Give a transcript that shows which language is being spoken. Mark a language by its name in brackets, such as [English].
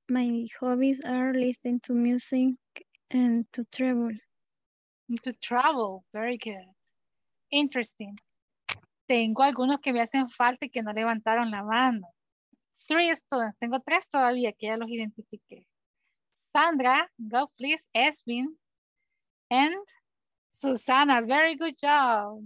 [English] My hobbies are listening to music and to travel. And to travel, very good. Interesting. [Spanish] Tengo algunos que me hacen falta y que no levantaron la mano. [English] Three students. [Spanish] Tengo tres todavía que ya los identifiqué. [English] Sandra, go please, Esvin, and Susana, very good job.